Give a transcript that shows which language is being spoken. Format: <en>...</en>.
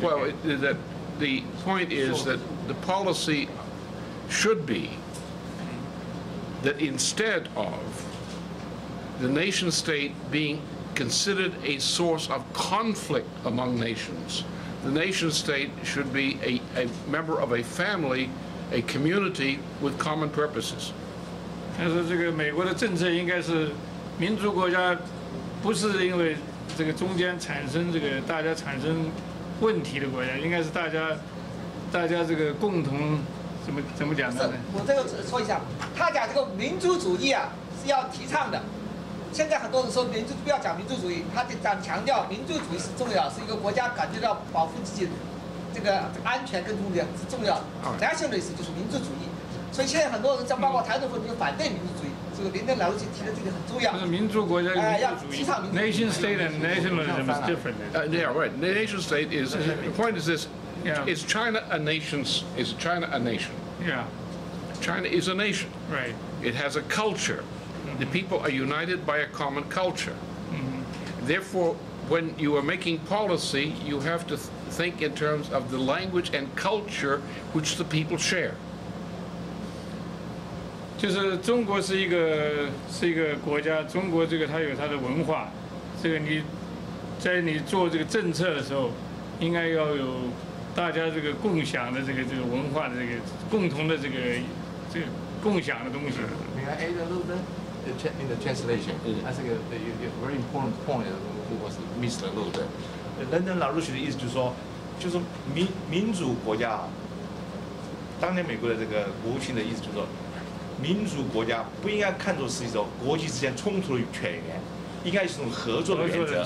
<en>Well, that the point is that the policy should be that instead of the nation state being considered a source of conflict among nations, the nation state should be a member of a family. A community with common purposes.</en> <zh>他说：“这个美国的政策应该是民族国家，不是因为这个中间产生这个大家产生问题的国家，应该是大家这个共同怎么讲的呢？” 我这个说一下，他讲这个民族主义啊是要提倡的。现在很多人说民族不要讲民族主义，他就讲强调民族主义是重要，是一个国家感觉到保护自己。这个安全跟重要是重要的 ，nationalism 就是民族主义，所以现在很多人在包括台独分子反对民族主义。这个林登老陆提的这个很重要。就是民族国家要提倡民族主义。</zh> <en>Nation state and nationalism is different. Yeah, right. Nation state is the point is this. Yeah. Is China a nation? Is China a nation? Yeah. China is a nation. Right. It has a culture. The people are united by a common culture. Therefore. When you are making policy, you have to think in terms of the language and culture which the people share.</en> <zh>就是中国是一个国家，中国这个它有它的文化，这个你在你做这个政策的时候，应该要有大家这个共享的这个文化的这个共同的这个共享的东西。</zh> <en>May I add a little bit in the translation? That's a very important point.</en> <zh>我是</zh> <en>Mr.</en> <zh>Lou 的 ，Lyndon LaRouche 的意思就是说民主国家，当年美国的这个国务卿的意思就是说，民主国家不应该看作是一种国际之间冲突的泉源，应该是一种合作的原则。</zh>